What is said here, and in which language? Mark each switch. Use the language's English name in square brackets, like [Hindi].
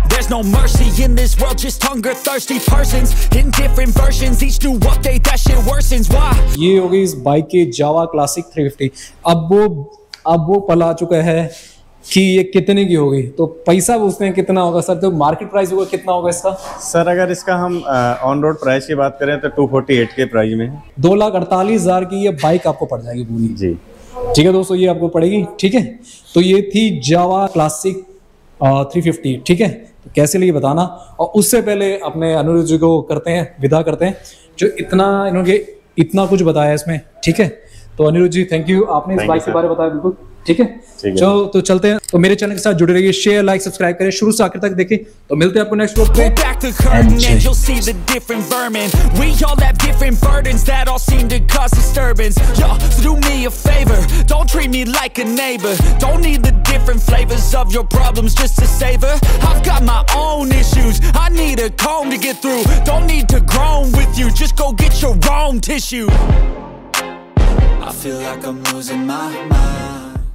[English] No mercy in this world, just hunger thirsty persons in different versions, each new update that shit worsens. Why? [Hindi] ये हो गई इस bike के जावा classic 350। अब वो पल आ चुका है कि ये कितने की होगी, तो पैसा उसने कितना होगा सर, तो मार्केट प्राइस होगा कितना होगा इसका सर, अगर इसका हम ऑन रोड प्राइस की बात करें तो 248 के प्राइस में है, 248,000 की ये बाइक आपको पड़ जाएगी पूरी जी, ठीक है दोस्तों, ये आपको पड़ेगी, ठीक है। तो ये थी जावा क्लासिक 350, ठीक है, कैसे लिए बताना। और उससे पहले अपने अनुरोध जी को करते हैं, विदा करते हैं, जो इतना इन्होंने इतना कुछ बताया इसमें, ठीक है। तो अनुरोध जी थैंक यू, आपने इस बाइक के बारे में बताया बिल्कुल, ठीक है, चलो तो चलते हैं। तो मेरे चैनल के साथ जुड़े रहिए, शेयर लाइक सब्सक्राइब करें, शुरू से आखिर तक देखें, तो मिलते हैं आपको नेक्स्ट व्लॉग पे। [English] Different flavors of your problems just to savor. I've got my own issues. I need a comb to get through. Don't need to groan with you. Just go get your wrong tissue. I feel like I'm losing my mind.